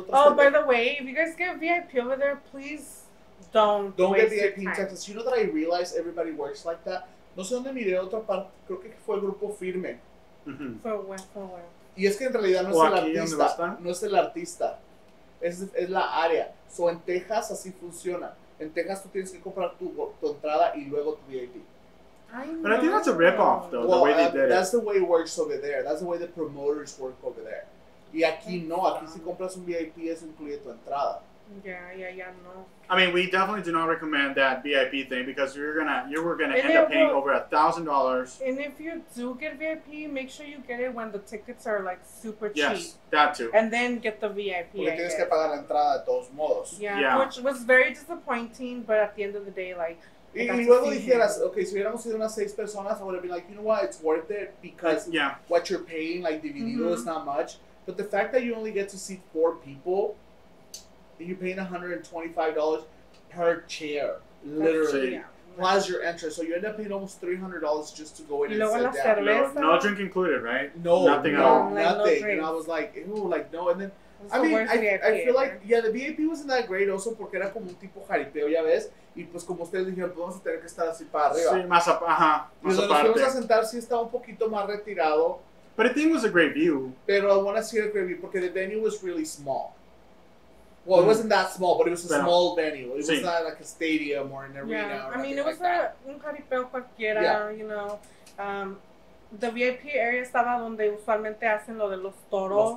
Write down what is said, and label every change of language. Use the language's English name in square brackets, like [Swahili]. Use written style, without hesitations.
[Spanish] otros. [English] Oh, by the way, if you guys get VIP over there, please don't get VIP in Texas. You know that I realize everybody works like that? [Spanish] No sé dónde miré otra parte, creo que fue el grupo Firme. Fue bueno. Y es que en realidad no es el artista. No es el artista. Es la área. So, en Texas así funciona. En Texas tú tienes que comprar tu entrada y luego tu VIP. [English] I know. But I think that's a rip off, though, the way they did it. That's the way it works over there. That's the way the promoters work over there. [Spanish] Y aquí no. Aquí si compras un VIP, eso incluye tu entrada. [English] Yeah, no. I mean, we definitely do not recommend that VIP thing because you were gonna end up paying over $1,000. And if you do get VIP, make sure you get it when the tickets are like super cheap. Yes, that too. And then get the VIP. [Spanish] Porque tienes que pagar la entrada de todos modos. [English] Yeah, which was very disappointing, but at the end of the day, like. [Spanish] Y luego dijeras, okay, si hubiéramos sido unas 6 personas, [English] I would have been like, you know what, it's worth it because what you're paying, like dividido, mm-hmm. is not much. But the fact that you only get to see 4 people. You're paying $125 per chair, literally. Plus your entrance. So you end up paying almost $300 just to go in and sit down. No drink included, right? No. Nothing at all. Nothing. And I was like, ew, like, no. And then, I feel like, the VIP wasn't that great also [Spanish] porque era como un tipo jaripeo, ya ves? Y pues como ustedes dijeron, pues vamos a tener que estar así para arriba. Sí, más aparte. Ajá, más aparte. Y donde nos fuimos a sentar, sí estaba un poquito más retirado. [English] But I think it was a great view. Pero I want to see a great view porque the venue was really small. Well, it wasn't that small, but it was a small venue. It was not like a stadium or an arena. Yeah, or I mean, it was like [Spanish] un jaripeo cualquiera, [English] you know. The VIP area [Spanish] estaba donde usualmente hacen lo de los toros.